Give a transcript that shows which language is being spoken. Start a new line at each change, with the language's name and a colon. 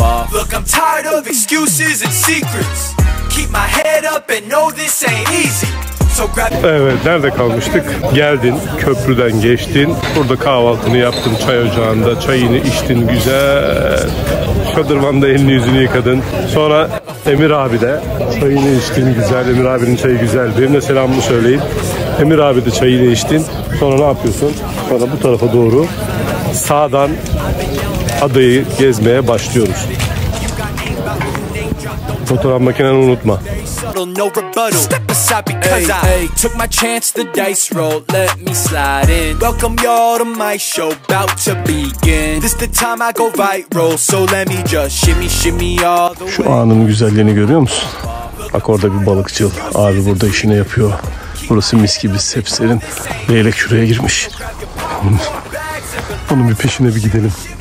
English: Look, I'm tired of excuses and secrets. Keep my head up and know this ain't easy.
Turkish: Evet, nerede kalmıştık? Geldin, köprüden geçtin. Burada kahvaltını yaptın çay ocağında. Çayını içtin güzel. Şadırvanda elini yüzünü yıkadın. Sonra Emir abi de çayını içtin güzel. Emir abinin çayı güzel. Benim de selamımı söyleyin. Emir abi de çayını içtin. Sonra ne yapıyorsun? Sonra bu tarafa doğru sağdan adayı gezmeye başlıyoruz. Fotoğraf makineni unutma.
English: No rebuttal. Step aside because I took my chance, the dice roll, let me slide in. Welcome y'all to my show, about to begin. This the time I go viral, so let me just shimmy shimmy all the way.
Turkish: Şu anın güzelliğini görüyor musun? Bak orada bir balıkçıl abi burada işini yapıyor. Burası mis gibi, sepserin. Leylek şuraya girmiş. Onun bir peşine bir gidelim.